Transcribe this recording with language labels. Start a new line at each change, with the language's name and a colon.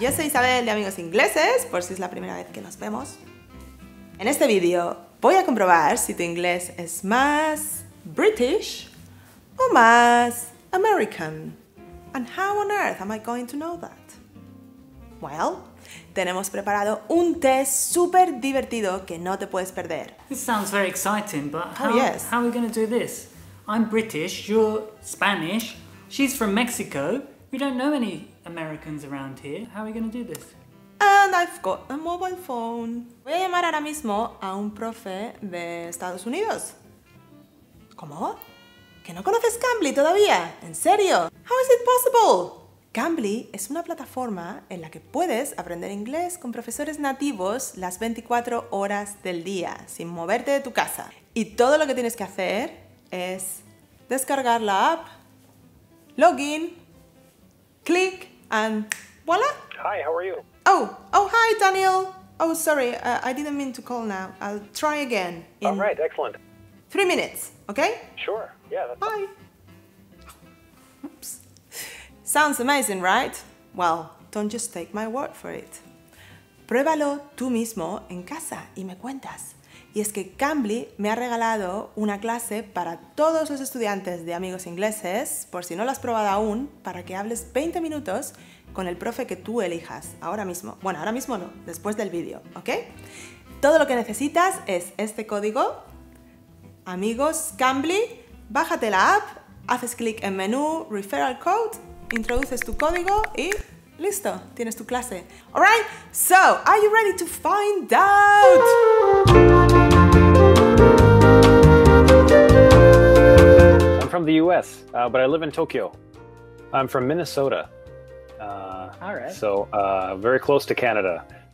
Spanish: Yo soy Isabel de Amigos Ingleses, por si es la primera vez que nos vemos. En este vídeo voy a comprobar si tu inglés es más British o más American.
English: And how on earth am I going to know that?
Spanish: Well, tenemos preparado un test super divertido que no te puedes perder.
English: This sounds very exciting, but how are we going to do this? I'm British, you're Spanish. She's from Mexico. We don't know any Americans around here. How are we going to do this? And I've got a mobile phone.
Spanish: Voy a llamar ahora mismo a un profe de Estados Unidos. ¿Cómo? ¿Que no conoces Cambly todavía? ¿En serio?
English: How is it possible?
Spanish: Cambly es una plataforma en la que puedes aprender inglés con profesores nativos las 24 horas del día, sin moverte de tu casa. Y todo lo que tienes que hacer es descargar la app,
English: login, click, and voila! Hi, how are you? Oh, hi, Daniel! Oh, sorry, I didn't mean to call now. I'll try again. All right, excellent. 3 minutes, okay? Sure, yeah. Bye! Oops. Sounds amazing, right? Well, don't just take my word for it.
Spanish: Pruébalo tú mismo en casa y me cuentas. Y es que Cambly me ha regalado una clase para todos los estudiantes de Amigos Ingleses, por si no lo has probado aún, para que hables 20 minutos con el profe que tú elijas, ahora mismo. Bueno, ahora mismo no, después del vídeo, ¿ok? Todo lo que necesitas es este código. Amigos Cambly, bájate la app, haces clic en menú, referral code, introduces tu código y listo, tienes tu clase.
English: Alright, so, are you ready to find out? I'm from the US, but I live in Tokyo. I'm from Minnesota. Alright. So, very close to Canada.